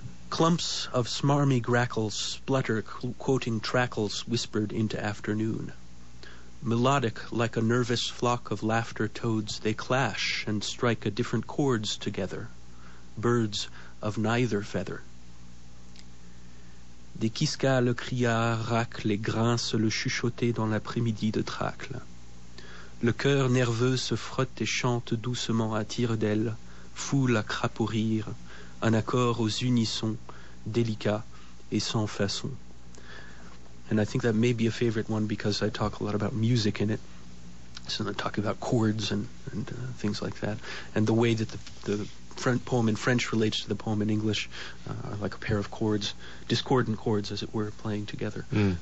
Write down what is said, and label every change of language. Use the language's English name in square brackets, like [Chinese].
[English] Clumps of smarmy grackles splutter, quoting trackles whispered into afternoon. Melodic, like a nervous flock of laughter toads, they clash and strike a different chords together, birds of neither feather. [French] Des quisca le criard racle les grains se le chuchoter dans l'après-midi de tracle. Le cœur nerveux se frotte et chante doucement à tire-d'aile, foule à crapaud rire, un accord aux unissons, délicat et sans façon. [English] And I think that may be a favorite one because I talk a lot about music in it. So I talk about chords and things like that. And the way that the front poem in French relates to the poem in English are like a pair of chords, discordant chords, as it were, playing together. Mm.